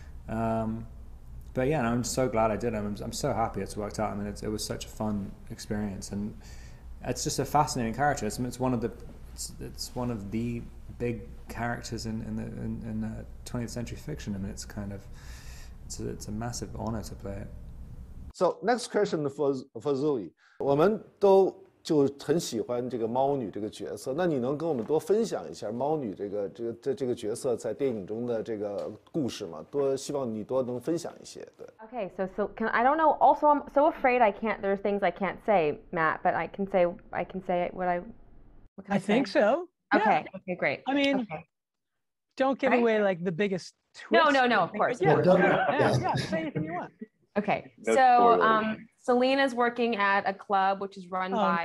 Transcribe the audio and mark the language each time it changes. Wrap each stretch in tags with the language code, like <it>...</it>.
<en>But yeah, I'm so glad I did. I'm so happy it's worked out. I mean, it was such a fun experience, and it's just a fascinating character. It's one of the big characters in the 20th century fiction. I mean, it's a massive honor to play it. So next question for Zoe.</en> <zh>我们都就很喜欢这个猫女这个角色，那你能跟我们多分享一下猫女这个角色在电影中的这个故事吗？多希望你多能分享一些。对。Okay,</zh> <en>so I don't know. Also, I'm so afraid I can't. There's things I can't say, Matt, but I can say what I. What can I say? I think so. Okay. Yeah. Okay, great. I mean, okay. Don't give away like the biggest twist. No, of course. Yeah, say anything you want. Okay. So, Selena's working at a club which is run by.</en>